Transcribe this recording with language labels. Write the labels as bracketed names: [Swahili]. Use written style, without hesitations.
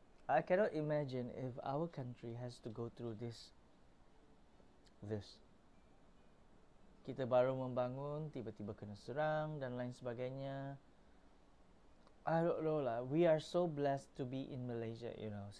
[English] I cannot imagine if our country has to go through this. [Malay] Kita baru membangun, tiba-tiba kena serang dan lain sebagainya. [English] I don't know lah. We are so blessed to be in Malaysia, you know.